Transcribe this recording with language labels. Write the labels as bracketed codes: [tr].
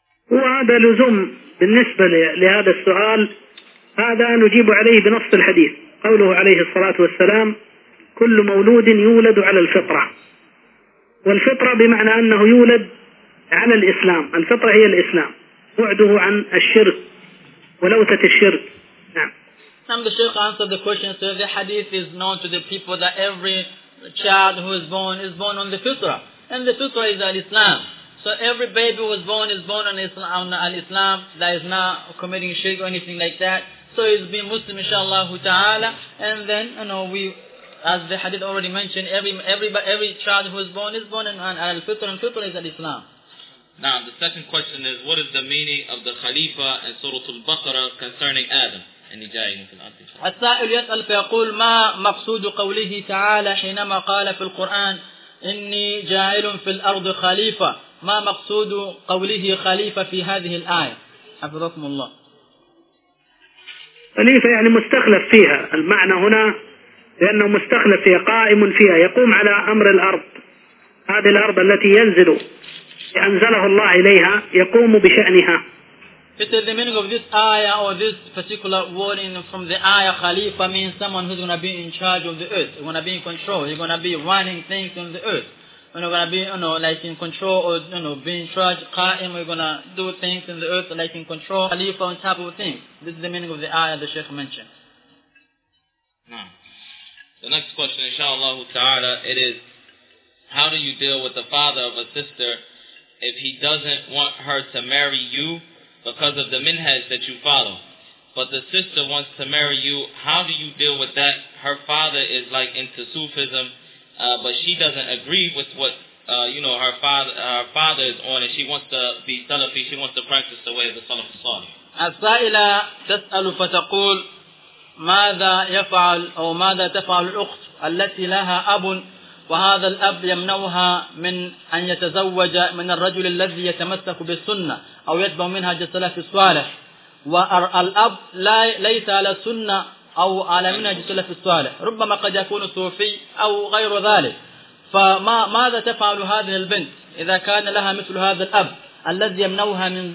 [ar] وهذا لزوم بالنسبة لهذا السؤال، هذا نجيب عليه بنص الحديث، قوله عليه الصلاة والسلام: كل مولود يولد على الفطرة. والفطرة بمعنى أنه يولد على الإسلام، الفطرة هي الإسلام، بعده عن الشرك ولوثة الشرك. نعم. [en] The Sheikh answered the question. So the hadith is known to the people that every child who is born on the fitrah, and the fitrah is al-Islam. So every baby who is born on al-Islam, that is not committing shirk or anything like that. So he's been Muslim, inshallah, ta'ala. And then, you know, we as the hadith already mentioned, every child who is born is born in al-fitr, and fitr is al-Islam. Now, the second question is, what is the meaning of the Khalifa in Surah Al-Baqarah concerning Adam? [ar] السائل يسأل فيقول ما مقصود قوله تعالى حينما قال في القرآن إني جاعل في الأرض خليفة ما مقصود قوله خليفة في هذه الآية حفظكم الله خليفة يعني مستخلف فيها المعنى هنا لأنه مستخلف فيها قائم فيها يقوم على أمر الأرض هذه الأرض التي ينزل أنزله الله إليها يقوم بشأنها. [en] It is the meaning of this ayah or this particular wording from the ayah Khalifa means someone who's going to be in charge of the earth. He's going to be in control. He's going to be running things on the earth. He's going to be, you know, like in control or, you know, be in charge. Qa'im, we're going to do things in the earth like in control. Khalifa on top of things. This is the meaning of the ayah the Sheikh mentioned. The next question, inshallah ta'ala, it is, how do you deal with the father of a sister if he doesn't want her to marry you? Because of the minhaj that you follow. But the sister wants to marry you. How do you deal with that? Her father is like into Sufism, but she doesn't agree with what her father is on, and she wants to be Salafi, she wants to practice the way of the Salaf al-Salih. [ar] السائلة تسأل فتقول ماذا يفعل أو ماذا تفعل الأخت التي لها أب وهذا الأب يمنعها من أن يتزوج من الرجل الذي يتمسك بالسنة أو يتبع منها السلف الصالح والأب ليس على السنة أو على منهج السلف الصالح ربما قد يكون صوفي أو غير ذلك فماذا تفعل هذه البنت إذا كان لها مثل هذا الأب الذي يمنعها